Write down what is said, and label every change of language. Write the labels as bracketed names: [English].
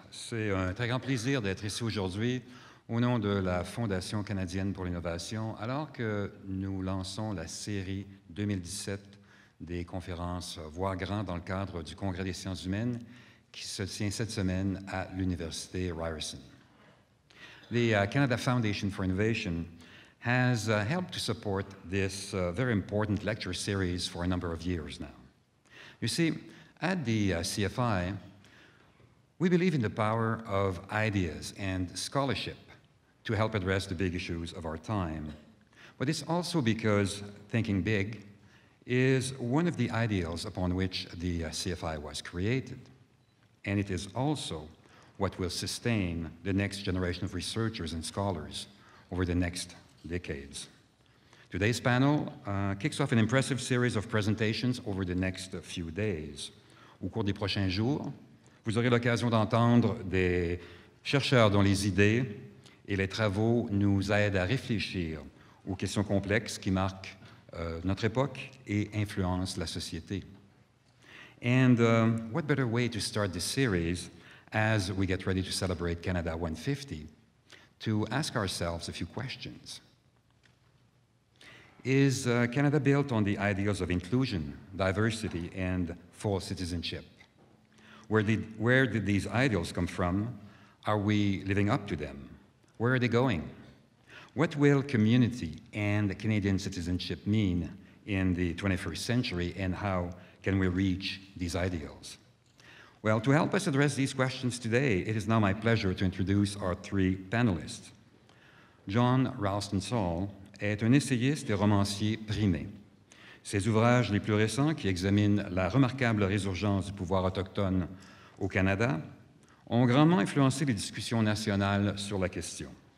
[French] C'est un très grand plaisir d'être ici aujourd'hui au nom de la Fondation canadienne pour l'innovation, alors que nous lançons la série 2017 des conférences Voir Grand dans le cadre du Congrès des sciences humaines qui se tient cette semaine à l'Université Ryerson. [English] The Canada Foundation for Innovation has helped to support this very important lecture series for a number of years now. You see, at the CFI, we believe in the power of ideas and scholarship to help address the big issues of our time. But it's also because thinking big is one of the ideals upon which the CFI was created. And it is also what will sustain the next generation of researchers and scholars over the next decades. Today's panel kicks off an impressive series of presentations over the next few days. [French] Au cours des prochains jours, vous aurez l'occasion d'entendre des chercheurs dont les idées et les travaux nous aident à réfléchir aux questions complexes qui marquent notre époque et influencent la société. [English] And what better way to start this series as we get ready to celebrate Canada 150 to ask ourselves a few questions. Is Canada built on the ideals of inclusion, diversity, and full citizenship? Where did these ideals come from? Are we living up to them? Where are they going? What will community and Canadian citizenship mean in the 21st century, and how can we reach these ideals? Well, to help us address these questions today, it is now my pleasure to introduce our three panelists. [French] John Ralston Saul est un essayiste et romancier primé. Ses ouvrages les plus récents, qui examinent la remarquable résurgence du pouvoir autochtone au Canada, ont grandement influencé les discussions nationales sur la question.